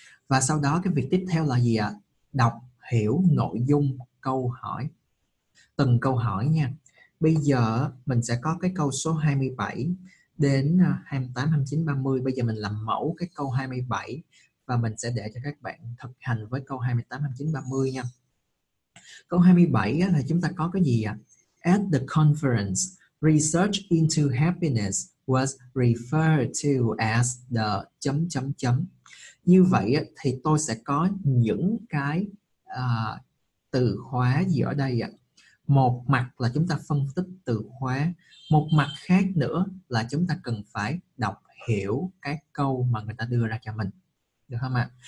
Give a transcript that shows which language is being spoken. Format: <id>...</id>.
<vi>Và sau đó cái việc tiếp theo là gì ạ? Đọc hiểu nội dung câu hỏi, từng câu hỏi nha. Bây giờ mình sẽ có cái câu số 27 đến 28, 29, 30. Bây giờ mình làm mẫu cái câu 27 và mình sẽ để cho các bạn thực hành với câu 28, 29, 30 nha. Câu 27 á, thì chúng ta có cái gì ạ?</vi> <en>At the conference, research into happiness was referred to as the</en> <vi>chấm chấm chấm. Như vậy á, thì tôi sẽ có những cái từ khóa gì ở đây ạ? Một mặt là chúng ta phân tích từ khóa, một mặt khác nữa là chúng ta cần phải đọc hiểu cái câu mà người ta đưa ra cho mình, được không ạ?</vi>